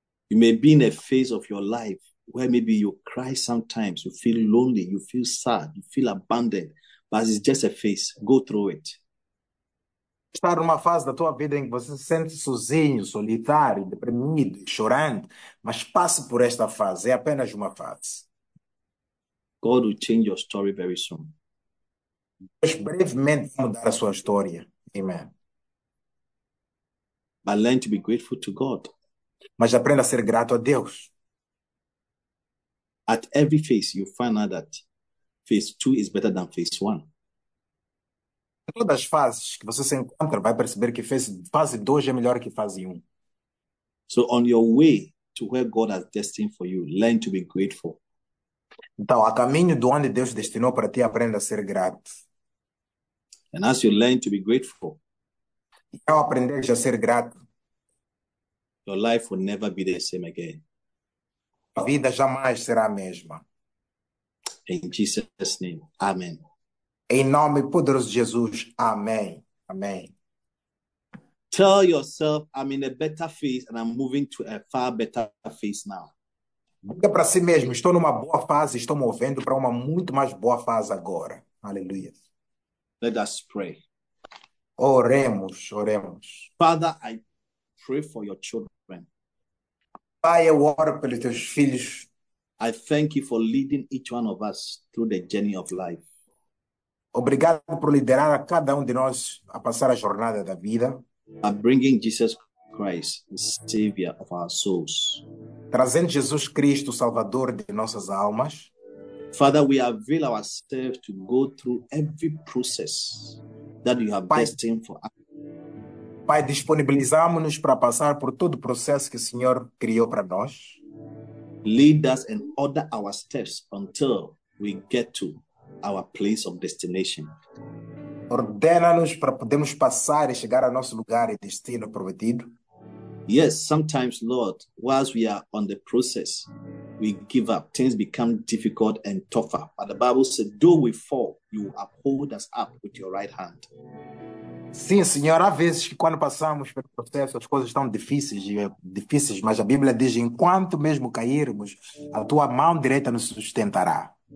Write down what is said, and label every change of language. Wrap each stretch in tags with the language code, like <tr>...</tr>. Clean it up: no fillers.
<en>You may be in a phase of your life where maybe you cry sometimes, you feel lonely, you feel sad, you feel abandoned, but it's just a phase. Go through it.</en> <pt>Estar numa fase da tua vida em que você se sente sozinho, solitário, deprimido, chorando, mas passe por esta fase, é apenas uma fase.</pt> <en>God will change your story very soon.</en> <pt>Deus brevemente vai mudar a sua história.</pt> <en>Amen. But learn to be grateful to God.</en> <pt>Mas aprenda a ser grato a Deus.</pt> <en>At every phase, you find out that phase two is better than phase one.</en> <pt>Todas as fases que você se encontra, vai perceber que fase 2 é melhor que fase 1.</pt> <en>So on your way to where God has destined for you, learn to be grateful.</en> <pt>Então, a caminho do onde Deus destinou para ti, aprenda a ser grato.</pt> <en>And as you learn to be grateful,</en> <pt>E ao aprender a ser grato,</pt> <en>your life will never be the same again.</en> <pt>A vida jamais será a mesma.</pt> <en>In Jesus' name, amen.</en> <pt>Em nome poderoso de Jesus. Amém. Amém.</pt> <en>Tell yourself, I'm in a better phase and I'm moving to a far better phase now.</en> <pt>Diga para si mesmo, estou numa boa fase, estou movendo para uma muito mais boa fase agora. Aleluia.</pt> <en>Let us pray.</en> <pt>Oremos, oremos.</pt> <en>Father, I pray for your children.</en> <pt>Pai, eu oro pelos teus filhos.</pt> <en>I thank you for leading each one of us through the journey of life.</en> <pt>Obrigado por liderar a cada um de nós a passar a jornada da vida.</pt> <en>By bringing Jesus Christ, the Savior of our souls.</en> <pt>Trazendo Jesus Cristo, Salvador de nossas almas.</pt> <en>Father, we avail ourselves to go through every process that you have destined for us.</en> <pt>Pai, disponibilizamos-nos para passar por todo o processo que o Senhor criou para nós.</pt> <en>Lead us and order our steps until we get to our place of destination.</en> <pt>Ordena-nos para podermos passar e chegar ao nosso lugar e destino prometido.</pt> <en>Yes, sometimes, Lord, whilst we are on the process, we give up. Things become difficult and tougher. But the Bible says, though we fall, you uphold us up with your right hand.</en> <pt>Sim, Senhor, há vezes que quando passamos pelo processo as coisas estão difíceis, mas a Bíblia diz, enquanto mesmo cairmos, a tua mão direita nos sustentará.</pt>